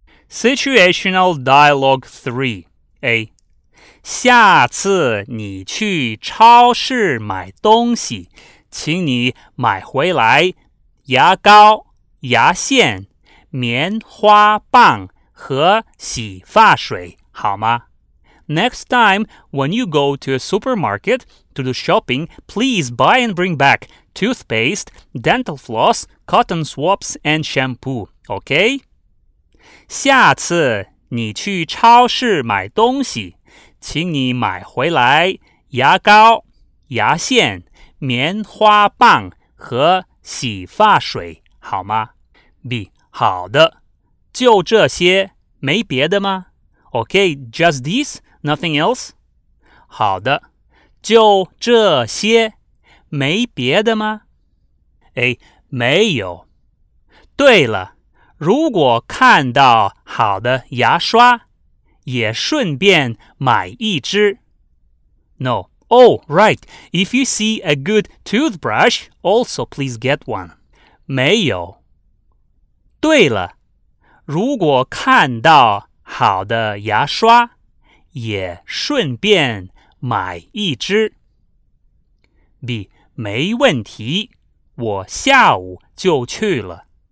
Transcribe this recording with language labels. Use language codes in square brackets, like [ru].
[en] Situational Dialogue 3 A. [zh] 下次你去超市买东西，请你买回来牙膏、牙线、棉花棒和洗发水，好吗？ [en] Next time, when you go to a supermarket to do shopping, please buy and bring back toothpaste, dental floss, cotton swabs, and shampoo, okay? [zh] 下次你去超市买东西，请你买回来牙膏、牙线、棉花棒和洗发水，好吗？ B. 好的，就这些，没别的吗？ [en] OK, just this, nothing else? [zh] 好的，就这些，没别的吗？ A. 没有。对了，如果看到好的牙刷，也顺便买一支。 [en] No. Oh, right. If you see a good toothbrush, also please get one. [zh] 没有。对了，如果看到好的牙刷，也顺便买一支。 B. 没问题，我下午就去了。